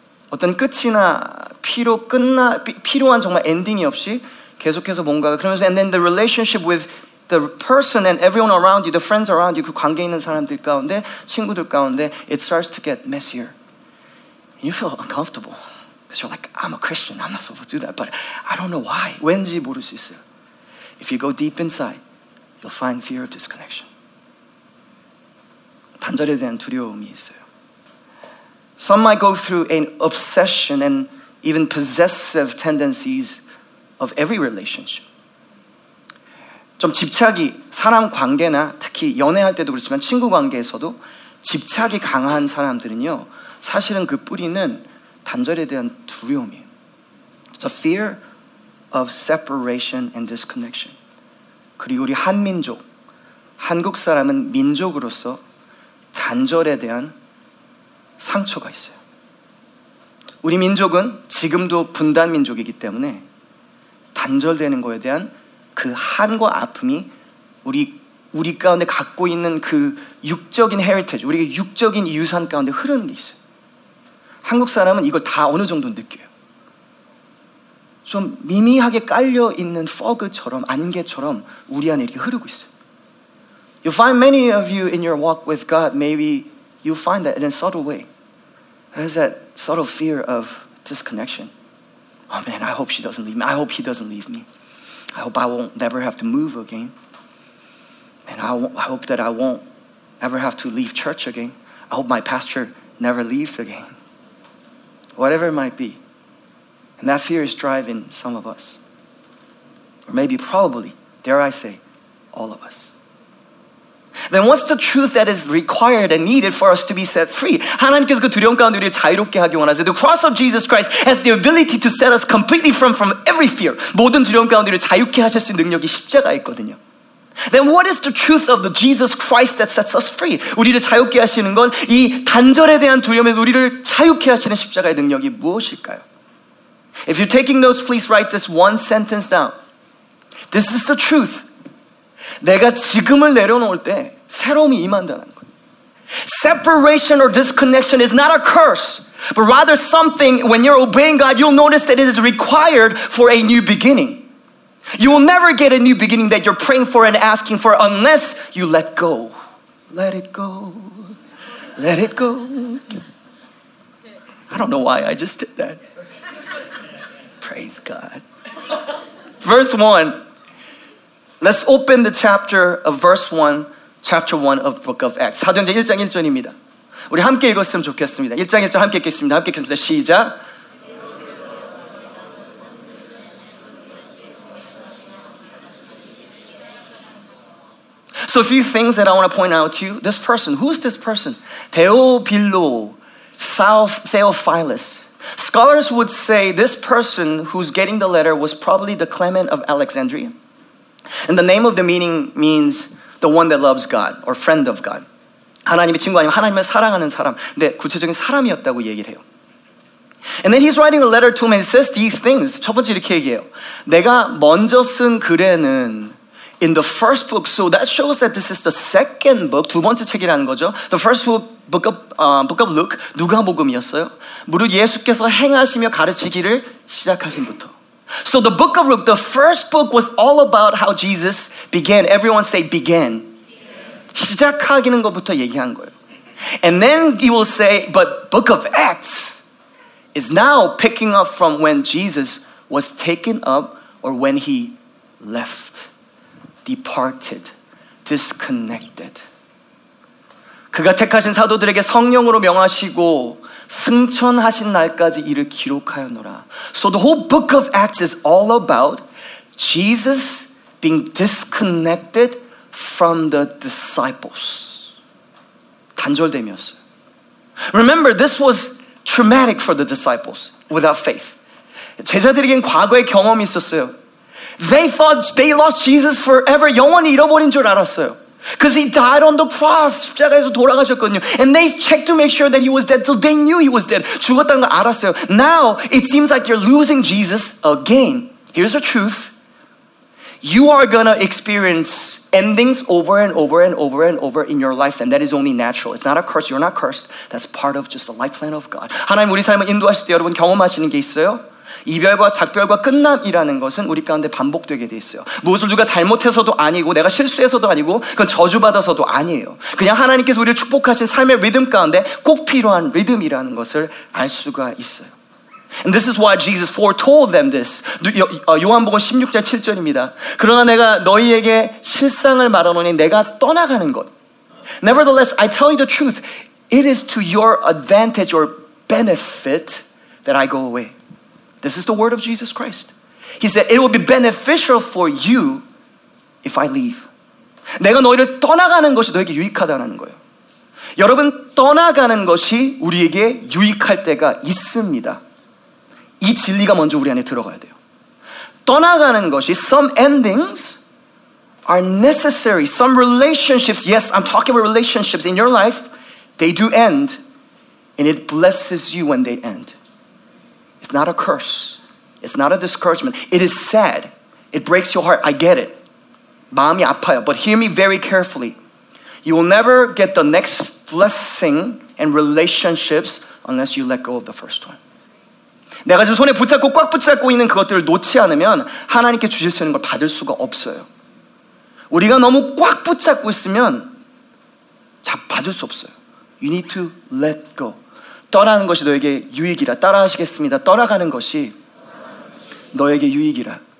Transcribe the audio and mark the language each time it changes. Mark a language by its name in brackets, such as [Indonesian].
[Korean] 어떤 끝이나 필요 끝나 필요한 정말 엔딩이 없이 계속해서 뭔가가 그러면서 [English] and then the relationship with the person and everyone around you, the friends around you, [Korean] 그 관계 있는 사람들 가운데 친구들 가운데 [English] it starts to get messier. You feel uncomfortable because you're like, I'm a Christian, I'm not supposed to do that, but I don't know why. [Korean] 왠지 모를 수 있어요. [English] If you go deep inside, you'll find fear of disconnection. [Korean] 단절에 대한 두려움이 있어요. [English] Some might go through an obsession and even possessive tendencies of every relationship. [Korean] 좀 집착이 사람 관계나 특히 연애할 때도 그렇지만 친구 관계에서도 집착이 강한 사람들은요. 사실은 그 뿌리는 단절에 대한 두려움이에요. [English] It's a fear of separation and disconnection. [Korean] 그리고 우리 한민족, 한국 사람은 민족으로서 단절에 대한 상처가 있어요. 우리 민족은 지금도 분단 민족이기 때문에 단절되는 거에 대한 그 한과 아픔이 우리 가운데 갖고 있는 그 육적인 헤리티지, 우리의 육적인 유산 가운데 흐르는 게 있어요. 한국 사람은 이걸 다 어느 정도 느껴요. 좀 미미하게 깔려 있는 퍼그처럼 안개처럼 우리 안에 이렇게 흐르고 있어요. [English] You find many of you in your walk with God, maybe you find that in a subtle way. There's that subtle fear of disconnection. Oh man, I hope she doesn't leave me. I hope he doesn't leave me. I hope I won't never have to move again. And I hope that I won't ever have to leave church again. I hope my pastor never leaves again. Whatever it might be. And that fear is driving some of us. Or maybe probably, dare I say, all of us. Then what's the truth that is required and needed for us to be set free? [Korean] 하나님께서 그 두려움 가운데 우리를 자유롭게 하기 원하세요. [English] The cross of Jesus Christ has the ability to set us completely from every fear. [Korean] 모든 두려움 가운데 우리를 자유케 하실 수 있는 능력이 십자가에 있거든요. [English] Then what is the truth of the Jesus Christ that sets us free? [Korean] 우리를 자유케 하시는 건 이 단절에 대한 두려움에 우리를 자유케 하시는 십자가의 능력이 무엇일까요? [English] If you're taking notes, please write this one sentence down. This is the truth. [Korean] 내가 지금을 내려놓을 때 새로움이 임한다는 거예요. [English] Separation or disconnection is not a curse, but rather something when you're obeying God, you'll notice that it is required for a new beginning. You will never get a new beginning that you're praying for and asking for unless you let go. Let it go. Let it go. I don't know why I just did that. Praise God. Verse 1. Let's open the chapter of verse 1, chapter 1 of the book of Acts. [Korean] 사도행전 1장 1절입니다. 우리 함께 읽었으면 좋겠습니다. 1장 1절 함께 읽겠습니다. 함께 읽겠습니다. 시작! [English] So a few things that I want to point out to you. This person, who is this person? Theophilo, Theophilus. Scholars would say this person who's getting the letter was probably the Clement of Alexandria. And the name of the meaning means the one that loves God or friend of God. [Korean] 하나님의 친구 아니면 하나님을 사랑하는 사람. 근데 구체적인 사람이었다고 얘기를 해요. [English] And then he's writing a letter to him and says these things. [Korean] 첫 번째 이렇게 얘기해요. 내가 먼저 쓴 글에는 [English] in the first book, so that shows that this is the second book, [Korean] 두 번째 책이라는 거죠. [English] The first book, book of Luke, [Korean] 누가복음이었어요? 무릇 예수께서 행하시며 가르치기를 시작하신부터. [English] So the book of Luke, the first book was all about how Jesus began. Everyone say began. [Korean] 시작하기는 것부터 얘기한 거예요. [English] And then he will say, but book of Acts is now picking up from when Jesus was taken up or when he left. Departed, disconnected. [Korean] 그가 택하신 사도들에게 성령으로 명하시고 승천하신 날까지 이를 기록하였노라. [English] So the whole book of Acts is all about Jesus being disconnected from the disciples. [Korean] 단절됨이었어요. [English] Remember, this was traumatic for the disciples without faith. [Korean] 제자들에겐 과거의 경험이 있었어요. [English] They thought they lost Jesus forever. [Korean] 영원히 잃어버린 줄 알았어요. [English] Because he died on the cross. [Korean] 십자가에서 돌아가셨거든요. [English] And they checked to make sure that he was dead. So they knew he was dead. [Korean] 죽었다는 거 알았어요. [English] Now it seems like they're losing Jesus again. Here's the truth. You are going to experience endings over and over and over and over in your life. And that is only natural. It's not a curse. You're not cursed. That's part of just the life plan of God. [Korean] 하나님 우리 삶을 인도하실 때 여러분 경험하시는 게 있어요? 이별과 작별과 끝남이라는 것은 우리 가운데 반복되게 돼 있어요. 무엇을 누가 잘못해서도 아니고 내가 실수해서도 아니고 그건 저주받아서도 아니에요. 그냥 하나님께서 우리를 축복하신 삶의 리듬 가운데 꼭 필요한 리듬이라는 것을 알 수가 있어요. [English] And this is why Jesus foretold them this. [Korean] 요한복음 16장 7절입니다. 그러나 내가 너희에게 실상을 말하노니 내가 떠나가는 것. [English] Nevertheless, I tell you the truth. It is to your advantage or benefit that I go away. This is the word of Jesus Christ. He said, it will be beneficial for you if I leave. [Korean] 내가 너희를 떠나가는 것이 너에게 유익하다는 거예요. 여러분, 떠나가는 것이 우리에게 유익할 때가 있습니다. 이 진리가 먼저 우리 안에 들어가야 돼요. 떠나가는 것이 [English] some endings are necessary. Some relationships, yes, I'm talking about relationships in your life, they do end and it blesses you when they end. It's not a curse. It's not a discouragement. It is sad. It breaks your heart. I get it. [Korean] 마음이 아파요. [English] But hear me very carefully. You will never get the next blessing and relationships unless you let go of the first one. [Korean] 내가 지금 손에 붙잡고 꽉 붙잡고 있는 그것들을 놓지 않으면 하나님께 주실 수 있는 걸 받을 수가 없어요. 우리가 너무 꽉 붙잡고 있으면 받을 수 없어요. [English] You need to let go. [Korean] 떠나는 것이 너에게 유익이라. 따라하시겠습니다. 떠나가는 것이 너에게 유익이라.